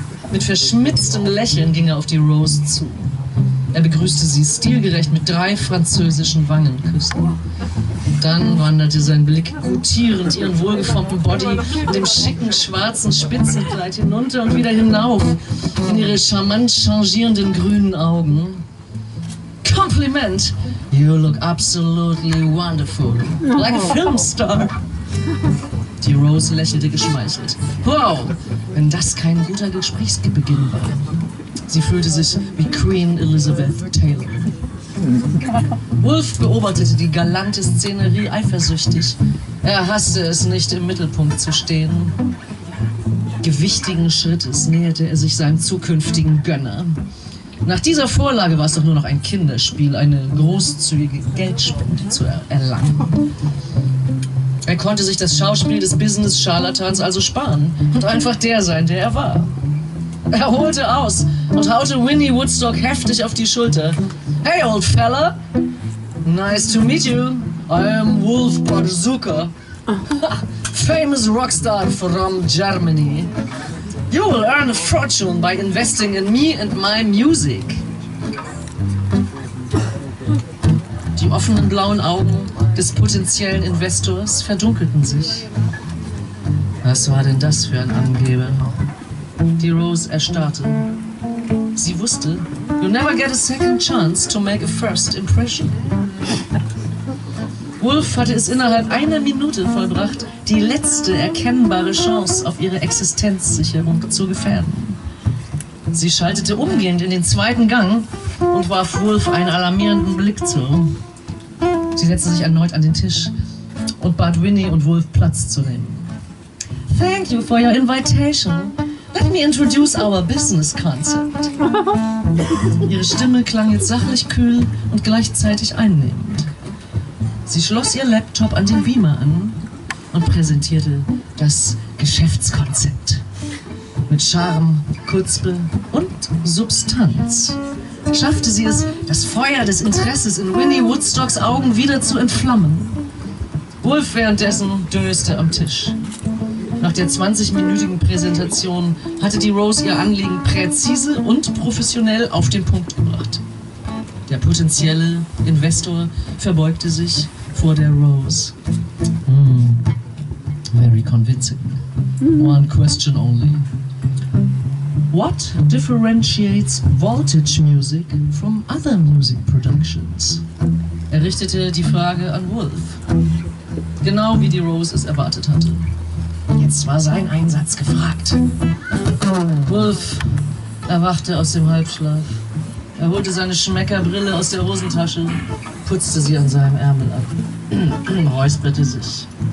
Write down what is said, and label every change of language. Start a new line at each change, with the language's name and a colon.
German: Mit verschmitztem Lächeln ging er auf die Rose zu. Er begrüßte sie stilgerecht mit drei französischen Wangenküssen. Dann wanderte sein Blick gutierend ihren wohlgeformten Body mit dem schicken schwarzen Spitzenkleid hinunter und wieder hinauf in ihre charmant changierenden grünen Augen. Kompliment!
English: You look absolutely wonderful. Like a film star.
German: Die Rose lächelte geschmeichelt. Wow, wenn das kein guter Gesprächsbeginn war. Sie fühlte sich wie Queen Elizabeth Taylor. Wolf beobachtete die galante Szenerie eifersüchtig. Er hasste es nicht, im Mittelpunkt zu stehen. Gewichtigen Schrittes näherte er sich seinem zukünftigen Gönner. Nach dieser Vorlage war es doch nur noch ein Kinderspiel, eine großzügige Geldspende zu erlangen. Er konnte sich das Schauspiel des Business-Scharlatans also sparen und einfach der sein, der er war. Er holte aus und haute Winnie Woodstock heftig auf die Schulter.
English: Hey, old fella. Nice to meet you. I am Wolf Barzuka. Famous rockstar from Germany. You will earn a fortune by investing in me and my music.
German: offenen blauen Augen des potenziellen Investors verdunkelten sich. Was war denn das für ein Angeber? Die Rose erstarrte. Sie wusste,
English: you never get a second chance to make a first impression.
German: Wolf hatte es innerhalb einer Minute vollbracht, die letzte erkennbare Chance auf ihre Existenzsicherung zu gefährden. Sie schaltete umgehend in den zweiten Gang und warf Wolf einen alarmierenden Blick zu. Sie setzte sich erneut an den Tisch und bat Winnie und Wolf Platz zu nehmen.
English: Thank you for your invitation. Let me introduce our business concept.
German: Ihre Stimme klang jetzt sachlich kühl und gleichzeitig einnehmend. Sie schloss ihr Laptop an den Beamer an und präsentierte das Geschäftskonzept. Mit Charme, Kutzpe und Substanz schaffte sie es, das Feuer des Interesses in Winnie Woodstocks Augen wieder zu entflammen. Wolf währenddessen döste am Tisch. Nach der 20-minütigen Präsentation hatte die Rose ihr Anliegen präzise und professionell auf den Punkt gebracht. Der potenzielle Investor verbeugte sich vor der Rose.
English: Very convincing. One question only. What differentiates Voltage Music from other music productions?
German: Er richtete die Frage an Wolf. Genau wie die Rose es erwartet hatte. Jetzt war sein Einsatz gefragt. Wolf erwachte aus dem Halbschlaf. Er holte seine Schmeckerbrille aus der Hosentasche, putzte sie an seinem Ärmel ab. Räusperte sich.